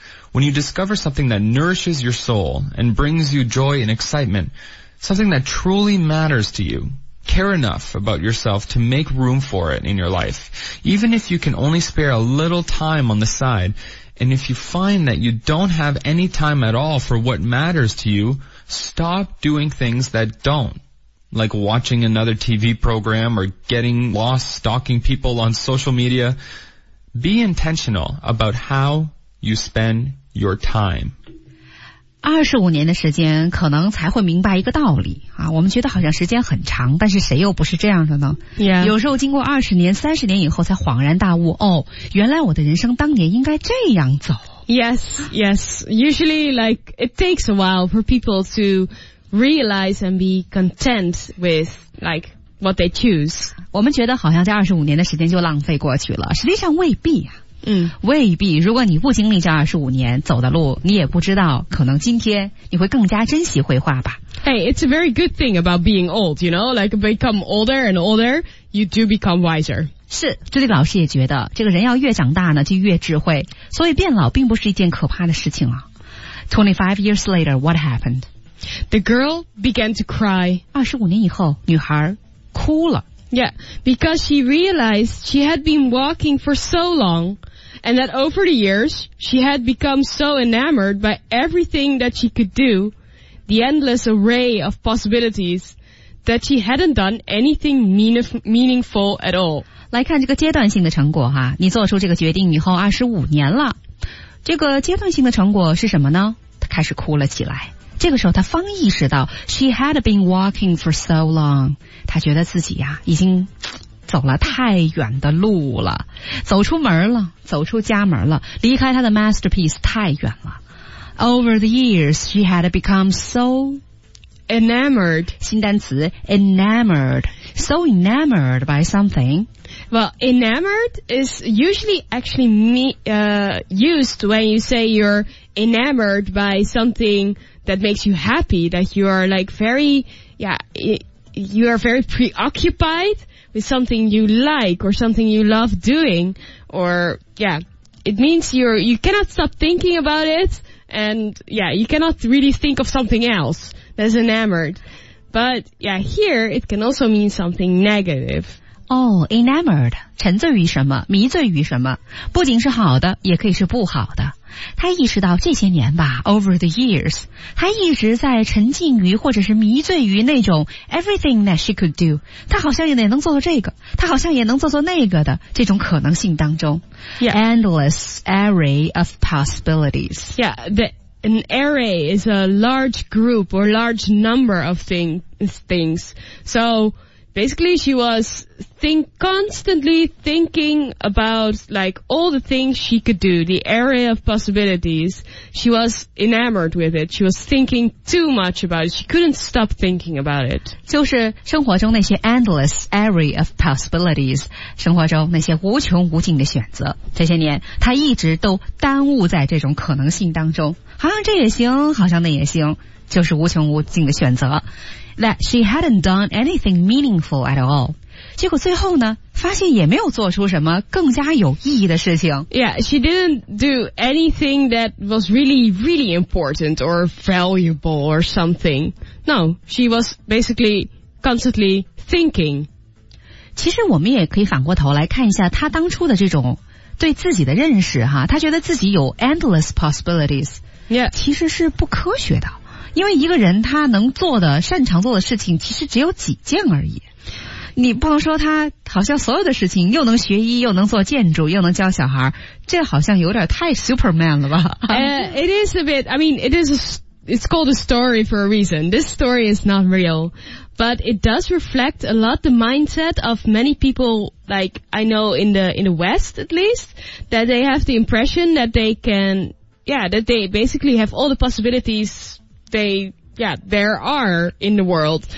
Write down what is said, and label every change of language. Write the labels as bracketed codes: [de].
[en] When you discover something that nourishes your soul and brings you joy and excitement, something that truly matters to you, care enough about yourself to make room for it in your life, even if you can only spare a little time on the side,And if you find that you don't have any time at all for what matters to you, stop doing things that don't, like watching another TV program or getting lost stalking people on social media. Be intentional about how you spend your time. [zh] 25年的时间可能才会明白一个道理啊，我们觉得好像时间很长，但是谁又不是这样的呢、 [en] yeah. [zh] 有时候经过20年30年以后才恍然大悟，哦，原来我的人生当年应该这样走。 [en] Yes, yes. Usually like it takes a while for people to realize and be content with like what they choose. [zh] 我们觉得好像这25年的时间就浪费过去了，实际上未必啊。嗯，未必，如果你不经历这25年走的路，你也不知道可能今天你会更加珍惜绘画吧。 [en] Hey, it's a very good thing about being old, you know, like become older and older, you do become wiser. [zh] 是，朱莉老师也觉得这个人要越长大呢就越智慧，所以变老并不是一件可怕的事情啊。 [en] 25 years later, what happened? The girl began to cry. [zh] 25年以后女孩哭了。 [en] Yeah, because she realized she had been walking for so long, and that over the years, she had become so enamored by everything that she could do, the endless array of possibilities, that she hadn't done anything meaningful at all. [zh] 来看这个阶段性的成果哈，你做出这个决定以后25年了，这个阶段性的成果是什么呢？她开始哭了起来。这个时候他方意识到 [en] She had been walking for so long [zh] 他觉得自己已经走了太远的路了，走出门了，走出家门了，离开她的 masterpiece 太远了。 [en] Over the years, she had become so enamored. [zh] 新单词 enamored. [en] So enamored by something. Well, enamored is usually actually used when you say you're enamored by something that makes you happy, that you are like very, you are very preoccupied with something you like or something you love doing, or yeah, it means you cannot stop thinking about it, and yeah, you cannot really think of something else. That's enamored. But yeah, here it can also mean something negative. [zh] Oh, enamored, 沉醉于什么，迷醉于什么，不仅是好的，也可以是不好的。他意识到这些年吧 , [en] over the years, [zh] 他一直在沉浸于或者是迷醉于那种 [en] everything that she could do, [zh] 他好像也能做做这个，他好像也能做做那个的这种可能性当中。 [en] Yeah. Endless array of possibilities. Yeah, an array is a large group or large number of things. So basically she was constantly thinking about like all the things she could do, the array of possibilities. She was enamored with it. She was thinking too much about it. She couldn't stop thinking about it. [zh] 就是生活中那些 [en] endless array of possibilities, [zh] 生活中那些无穷无尽的选择。这些年她一直都耽误在这种可能性当中。好像这也行，好像那也行，就是无穷无尽的选择。 [en] That she hadn't done anything meaningful at all. [zh] 结果最后呢，发现也没有做出什么更加有意义的事情。 [en] Yeah, she didn't do anything that was really, really important or valuable or something. No, she was basically constantly thinking. [zh] 其实我们也可以反过头来看一下她当初的这种对自己的认识哈，她觉得自己有 [en] endless possibilities. Yeah. [zh] 其实是不科学的。因为一个人他能做的擅长做的事情其实只有几件而已，你不能说他好像所有的事情又能学医又能做建筑又能教小孩，这好像有点太 superman 了吧。 [en] It is a bit, I mean, it's called a story for a reason. This story is not real, but it does reflect a lot the mindset of many people, like I know in the West at least, that they have the impression that they can, yeah, that they basically have all the possibilities there are in the world.